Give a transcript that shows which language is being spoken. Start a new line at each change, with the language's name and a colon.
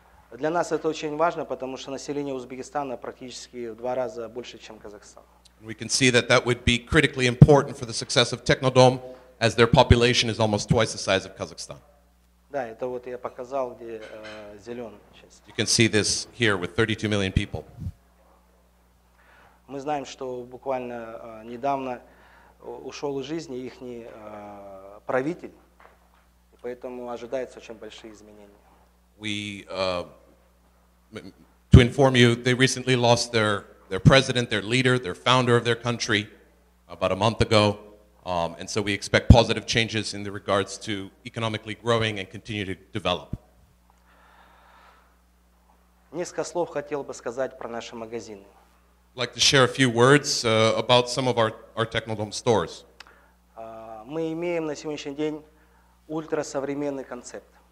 Russian: Для нас это очень важно, потому что население Узбекистана практически в два раза больше, чем Казахстан.
English: We can see that that would be critically important for the success of Technodom, as their population is almost twice the size of Kazakhstan.
Russian: Да, это вот я показал, где зеленая часть.
English: You can see this here with 32 million people.
Russian: Мы знаем, что буквально недавно ушел из жизни их правитель, поэтому ожидаются очень большие изменения.
English: To inform you, they recently lost their president, their leader, their founder of their country about a month ago. And so we expect positive changes in the regards to economically growing and continue to develop.
Russian: Несколько слов хотел бы сказать про наши магазины.
English: like to share a few words about some of our Technodome stores.
Russian: Мы имеем на сегодняшний день ультрасовременный концепт.